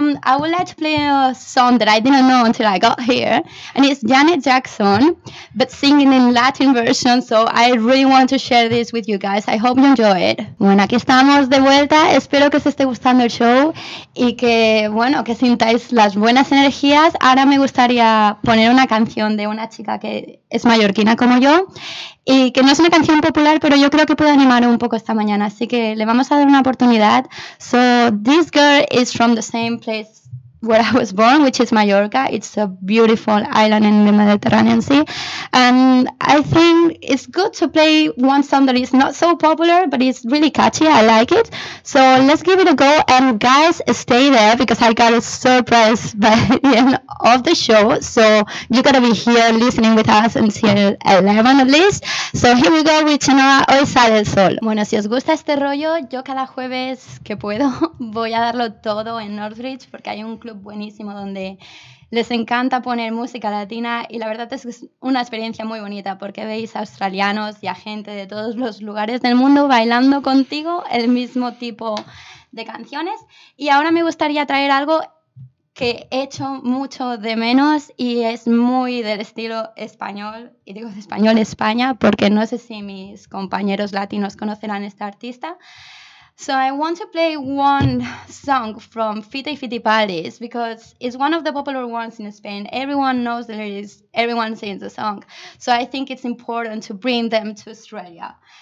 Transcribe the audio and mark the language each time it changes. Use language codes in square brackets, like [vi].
[en] I would like to play a song that I didn't know until I got here. And it's Janet Jackson, but singing in Latin version. So I really want to share this with you guys. I hope you enjoy it. [es] Bueno, aquí estamos de vuelta. Espero que os esté gustando el show y que, bueno, que sintáis las buenas energías. Ahora me gustaría poner una canción de una chica que es mallorquina como yo. Y que no es una canción popular, pero yo creo que puede animar un poco esta mañana. Así que le vamos a dar una oportunidad. [en] So, this girl is from the same place where I was born, which is Mallorca. It's a beautiful island in the Mediterranean Sea. And I think it's good to play one song that is not so popular, but it's really catchy. I like it. So, let's give it a go. And guys, stay there because I got a surprise by the end of the show. So, you got to be here listening with us until 11 at least. So, here we go with Chinoa, Hoy Sale el Sol. [es] Bueno, si os gusta este rollo, yo cada jueves que puedo voy a darlo todo en Northridge porque hay un club buenísimo donde les encanta poner música latina y la verdad es que es una experiencia muy bonita porque veis a australianos y a gente de todos los lugares del mundo bailando contigo el mismo tipo de canciones. Y ahora me gustaría traer algo que echo mucho de menos y es muy del estilo español, y digo español España porque no sé si mis compañeros latinos conocerán esta artista. [en] So I want to play one song from Fito y Fitipaldis because it's one of the popular ones in Spain. Everyone knows the lyrics, everyone sings the song. So I think it's important to bring them to Australia.